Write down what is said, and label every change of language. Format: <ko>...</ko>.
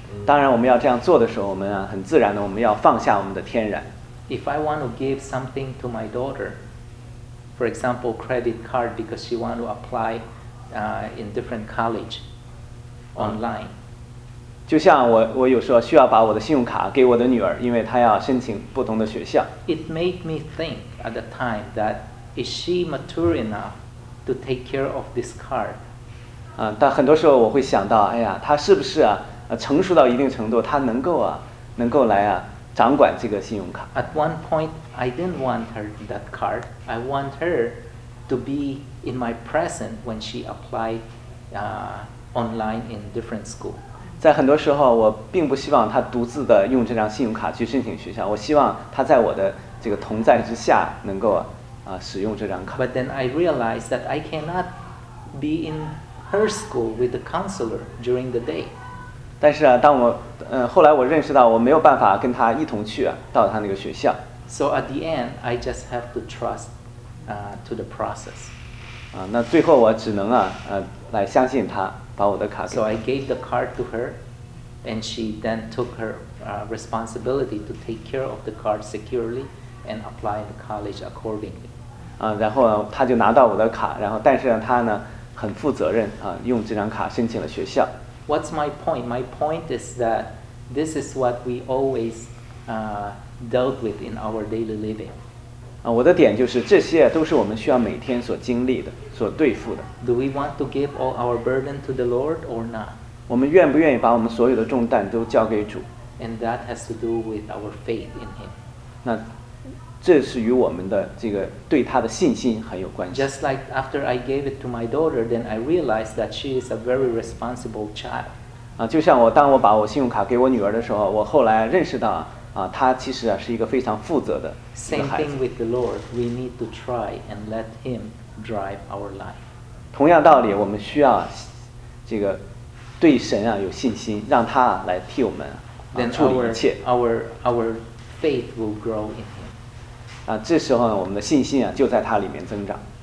<zh>当然，我们要这样做的时候，我们很自然的，我们要放下我们的天然。</zh> <en>If I want to give something to my daughter. For example, credit card because she want to apply in different college online.</en> <zh>就像我有时候需要把我的信用卡给我的女儿，因为她要申请不同的学校。</zh> <en>It made me think at the time that is she mature enough to take care of this card?</en> <zh>但很多时候我会想到，哎呀，她是不是成熟到一定程度，她能够来啊。掌管这个信用卡。</zh> <en>At one point, I didn't want her that card. I want her to be in my presence when she applied online in different school.</en> <zh>在很多时候，我并不希望她独自的用这张信用卡去申请学校。我希望她在我的这个同在之下，能够使用这张卡。</zh> <en>But then I realized that I cannot be in her school with the counselor during the day.</en> <zh>但是当我后来我认识到我没有办法跟他一同去到他那个学校。</zh> <en>So at the end, I just have to trust to the process.</en> <zh>那最后我只能来相信他把我的卡给。</zh> <en>So I gave the card to her, and she then took her responsibility to take care of the card securely and apply the college accordingly.</en> <zh>然后他就拿到我的卡，然后但是他呢很负责任用这张卡申请了学校。</zh> <en>What's my point? My point is that this is what we always dealt with in our daily living.</en> <zh>我的点就是这些都是我们需要每天所经历的、所对付的。</zh> <en>Do we want to give all our burden to the Lord or not?</en> <zh>我们愿不愿意把我们所有的重担都交给主</zh> <en>？And that has to do with our faith in Him.</en> <zh>那这是与我们的这个对他的信心很有关系。</zh> <en>Just like after I gave it to my daughter, then I realized that she is a very responsible child.</en> <zh>啊，就像我当我把我信用卡给我女儿的时候，我后来认识到啊，她其实啊是一个非常负责的一个孩子。</zh> <en>Same thing with the Lord. We need to try and let Him drive our life.</en> <zh>同样道理，我们需要这个对神啊有信心，让他来替我们、啊、处理一切。</zh> <en>Our faith will grow in.</en> <zh>啊，这时候呢，我们的信心啊，就在它里面增长。</zh>